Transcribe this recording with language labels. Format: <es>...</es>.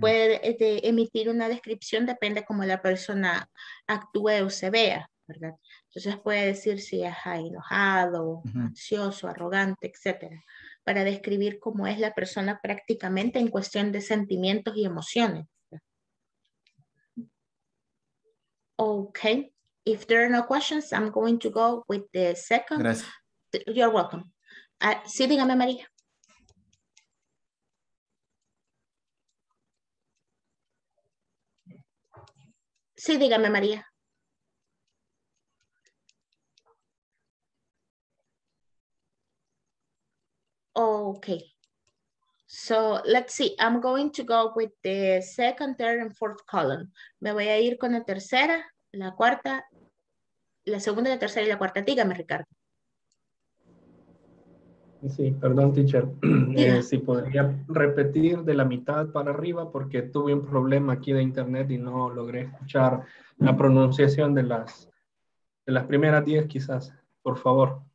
<es>puede emitir una descripción, depende cómo la persona actúe o se vea, ¿verdad? Entonces puede decir si es enojado, uh-huh. ansioso, arrogante, etcétera. Para describir cómo es la persona prácticamente en cuestión de sentimientos y emociones.</es> <en>Okay, if there are no questions, I'm going to go with the second.</en> <es>Gracias.</es> <en>You're welcome.</en> <es>Sí, dígame, María. Sí, dígame, María.</es> <en>Okay, so let's see. I'm going to go with the second, third, and fourth column.</en> <es>Me voy a ir con la tercera, la cuarta, la segunda, la tercera y la cuarta. Dígame, Ricardo. Sí, perdón, teacher. Si podría repetir de la mitad para arriba porque tuve un problema aquí de internet y no logré escuchar la pronunciación de las primeras 10, quizás, por favor.</es>